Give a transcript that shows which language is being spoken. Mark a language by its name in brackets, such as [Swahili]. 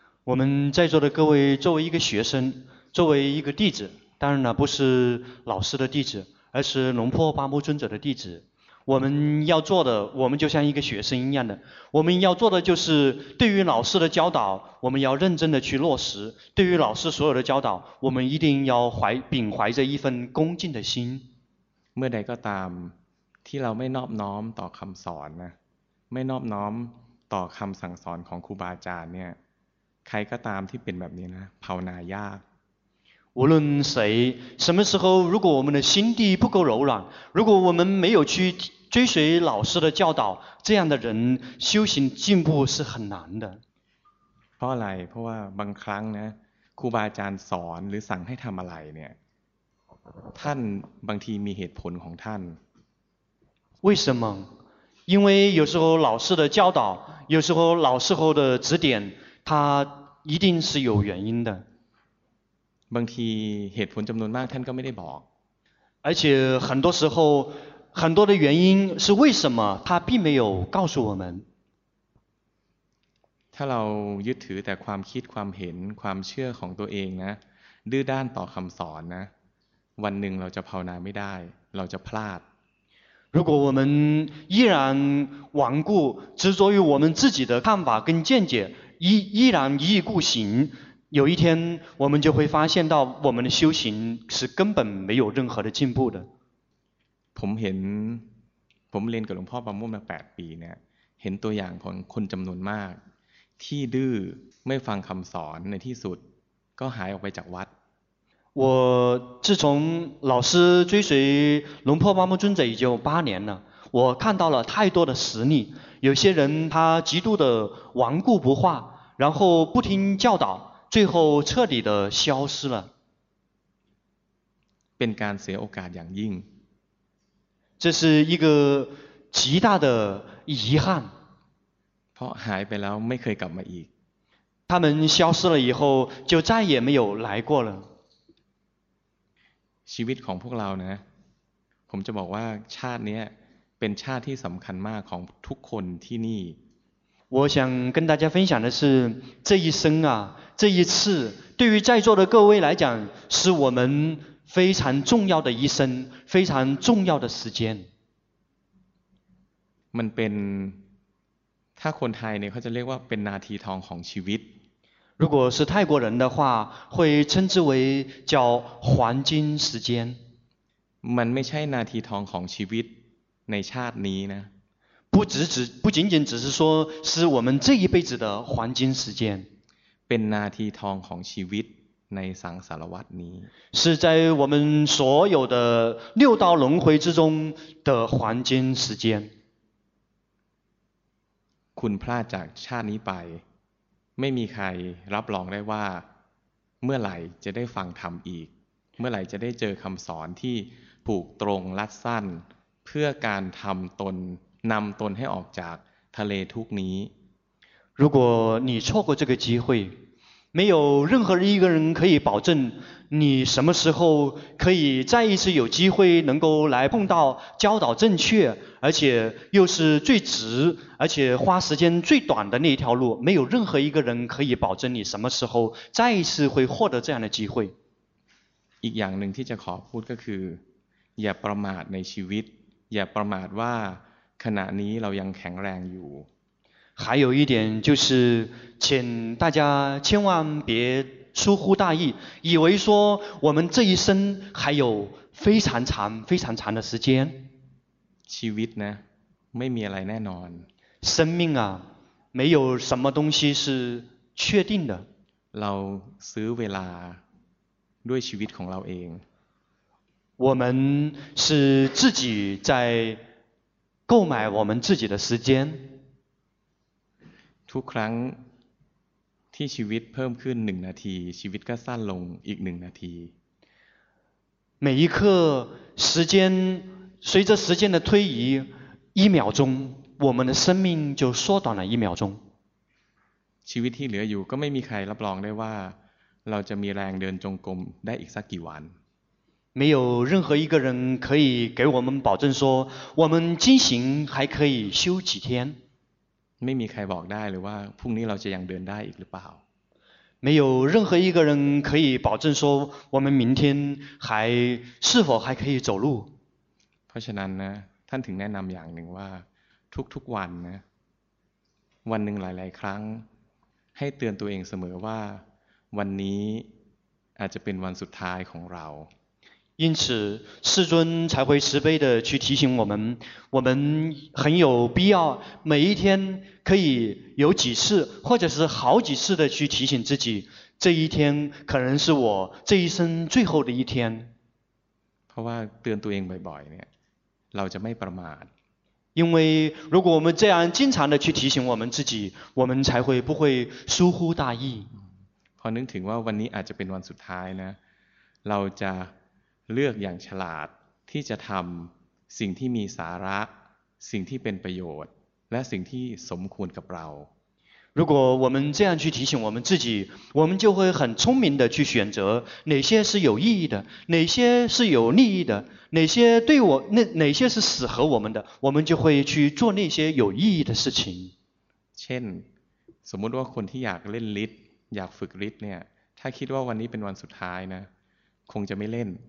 [Chinese] 我们在座的各位作为一个学生作为一个弟子当然了不是老师的弟子而是龙婆巴木尊者的弟子我们要做的我们就像一个学生一样的我们要做的就是对于老师的教导我们要认真的去落实对于老师所有的教导我们一定要怀着一份恭敬的心 [Thai] เมื่อใดก็ตามที่เราไม่นอบน้อมต่อคำสอนนะไม่นอบน้อมต่อคำสั่งสอนของครูบาอาจารย์เนี่ยใครก็ตามที่เป็นแบบนี้นะภาวนายาก [Chinese] 无论谁什么时候如果我们的心地不够柔软如果我们没有去追随老师的教导这样的人修行进步是很难的 [Thai] เพราะอะไรเพราะว่าบางครั้งนะครูบาอาจารย์สอนหรือสั่งให้ทำอะไรเนี่ยท่านบางทีมีเหตุผลของท่าน [Chinese] 为什么因为有时候老师的教导有时候老师后的指点他一定是有原因的 [Thai] บางทีเหตุผลจำนวนมากท่านก็ไม่ได้บอก [Chinese] 而且很多时候很多的原因是为什么他并没有告诉我们 [Thai] ถ้าเรายึดถือแต่ความคิดความเห็นความเชื่อของตัวเองนะดื้อด้านต่อคำสอนนะวันหนึ่งเราจะภาวนาไม่ได้เราจะพลาด [Chinese] 如果我们依然顽固执着于我们自己的看法跟见解，依然一意孤行，有一天我们就会发现到我们的修行是根本没有任何的进步的。 [Thai] ผมเรียนกับหลวงพ่อประมุ่งมา8ปีเนี่ยเห็นตัวอย่างของคนจำนวนมากที่ดื้อไม่ฟังคำสอนในที่สุดก็หายออกไปจากวัด [Chinese] 我自从老师追随龙破巴木尊者已经八年了，我看到了太多的实例，有些人他极度的顽固不化，然后不听教导，最后彻底的消失了。 [Thai] เป็นการเสียโอกาสอย่างยิ่ง [Chinese] 这是一个极大的遗憾。 [Thai] เพราะหายไปแล้วไม่เคยกลับมาอีก [Chinese] 他们消失了以后就再也没有来过了。 [Thai] ชีวิตของพวกเรานะผมจะบอกว่าชาตินี้เป็นชาติที่สำคัญมากของทุกคนที่นี่ [Chinese] 我想跟大家分享的是这一生啊这一次对于在座的各位来讲是我们非常重要的一生非常重要的时间 [Thai] มันเป็นถ้าคนไทยเนี่ยเขาจะเรียกว่าเป็นนาทีทองของชีวิต [Chinese] 如果是泰国人的话会称之为叫黄金时间 [Thai] มันไม่ใช่นาทีทองของชีวิตในชาตินี้นะ [Chinese] 不仅仅只是说是我们这一辈子的黄金时间 [Thai] เป็นนาทีทองของชีวิตในสังสารวัฏนี้ [Chinese] 是在我们所有的六道轮回之中的黄金时间 [Thai] คุณพลาดจากชาตินี้ไปไม่มีใครรับรองได้ว่าเมื่อไหร่จะได้ฟังธรรมอีกเมื่อไหร่จะได้เจอคำสอนที่ผูกตรงรัดสั้นเพื่อการทำตนนำตนให้ออกจากทะเลทุกนี้ [Chinese] 如果你错过这个机会没有任何一个人可以保证你什么时候可以再一次有机会能够来碰到教导正确而且又是最直而且花时间最短的那条路没有任何一个人可以保证你什么时候再一次会获得这样的机会 [Thai] อีกอย่างหนึ่งที่จะขอพูดก็คืออย่าประมาทในชีวิตอย่าประมาทว่าขณะนี้เรายังแข็งแรงอยู่ [Chinese] 还有一点就是请大家千万别疏忽大意以为说我们这一生还有非常长非常长的时间 [Thai] ชีวิตนะไม่มีอะไรแน่นอน [Chinese] 生命啊没有什么东西是确定的 [Thai] เราซื้อเวลาด้วยชีวิตของเราเอง [Chinese] 我们是自己在购买我们自己的时间 [Thai] ทุกครั้งที่ชีวิตเพิ่มขึ้น1นาทีชีวิตก็สั้นลงอีก1นาที [Chinese] 每一刻时间随着时间的推移一秒钟我们的生命就缩短了一秒钟 [Thai] ชีวิตที่เหลืออยู่ก็ไม่มีใครรับรองได้ว่าเราจะมีแรงเดินจงกรมได้อีกสักกี่วัน [Chinese] 没有任何一个人可以给我们保证说我们进行还可以修几天 [Thai] ไม่มีใครบอกได้เลยว่าพรุ่งนี้เราจะยังเดินได้อีกหรือเปล่า [Chinese] 没有任何一个人可以保证说我们明天还是否还可以走路 [Thai] เพราะฉะนั้นนะท่านถึงแนะนำอย่างหนึ่งว่าทุกๆวันนะวันหนึ่งหลายๆครั้งให้เตือนตัวเองเสมอว่าวันนี้อาจจะเป็นวันสุดท้ายของเรา [Chinese] 因此世尊才会慈悲地去提醒我们我们很有必要每一天可以有几次或者是好几次地去提醒自己这一天可能是我这一生最后的一天 [Thai] เพราะว่าเตือนตัวเองบ่อยๆเนี่ยเราจะไม่ประมาท [Chinese] 因为如果我们这样经常地去提醒我们自己我们才会不会疏忽大意 [Thai] พอนึกถึงว่าวันนี้อาจจะเป็นวันสุดท้ายนะเราจะเลือกอย่างฉลาดที่จะทำสิ่งที่มีสาระสิ่งที่เป็นประโยชน์และสิ่งที่สมควรกับเรา [Chinese] 如果我们这样去提醒我们自己我们就会很聪明的去选择哪些是有意义的哪些是有利益的哪些对我哪些是适合我们的我们就会去做那些有意义的事情 [Thai] เช่นสมมติว่าคนที่อยากเล่นฤทธิ์อยากฝึกฤทธิ์เนี่ยถ้าคิดว่าวันนี้เป็นวันสุดท้ายนะคงจะไม่เล่น